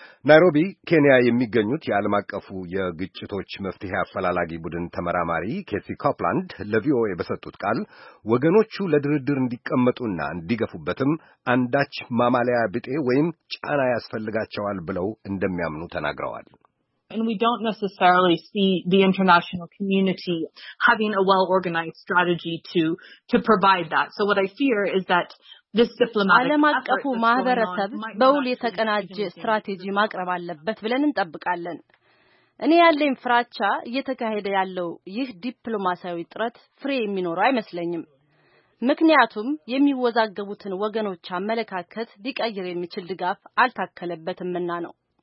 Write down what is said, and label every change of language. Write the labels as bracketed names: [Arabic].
[Amharic] ናይሮቢ ኬንያ የሚገኙት የዓለም አቀፉ የግጭቶች መፍትሄ አፈላላጊ ቡድን ተመራማሪ ኬሲ ኮፕላንድ ለቪኦኤ በሰጡት ቃል ወገኖቹ ለድርድር እንዲቀመጡና እንዲገፉበትም አንዳች ማማለያ ቢጤ ወይም ጫና ያስፈልጋቸዋል ብለው እንደሚያምኑ ተናግረዋል። [English] And we don't necessarily see the international community having a well-organized strategy to provide that. So what I fear is that this diplomatic [Amharic] effort በውል የተቀናጀ ስትራቴጂ ማቅረብ አለበት ብለን እንጠብቃለን። እኔ ያለኝ ፍራቻ እየተካሄደ ያለው ይህ ዲፕሎማሲያዊ ጥረት ፍሬ የሚኖረው አይመስለኝም። ምክንያቱም የሚወዛገቡትን ወገኖች አመለካከት ሊቀይር የሚችል ድጋፍ አልታከለበትምና ነው።